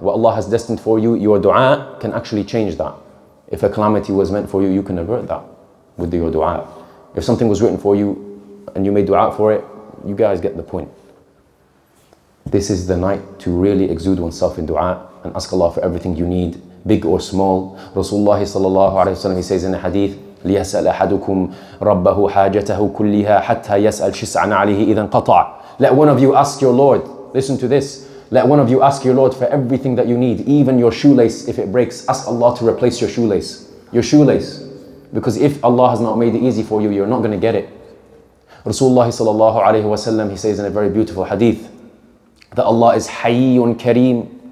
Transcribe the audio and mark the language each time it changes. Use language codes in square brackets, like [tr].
[en] What Allah has destined for you, your dua can actually change that. If a calamity was meant for you, you can avert that with your dua. If something was written for you and you made dua for it, you guys get the point. This is the night to really exude oneself in dua and ask Allah for everything you need, big or small. Rasulullah sallallahu alaihi wasallam, he says in a hadith, [ar] لِيَسْأَلْ أَحَدُكُمْ رَبَّهُ حَاجَتَهُ كُلِّهَا حَتَّى يَسْأَلْ شِسْعَنَ عَلِهِ إِذَنْ قَطَعَ. [en] Let one of you ask your Lord, listen to this, let one of you ask your Lord for everything that you need, even your shoelace, if it breaks, ask Allah to replace your shoelace. Your shoelace. Because if Allah has not made it easy for you, you're not going to get it. Rasulullah sallallahu alayhi wa sallam, he says in a very beautiful hadith, that Allah is hayyun kareem.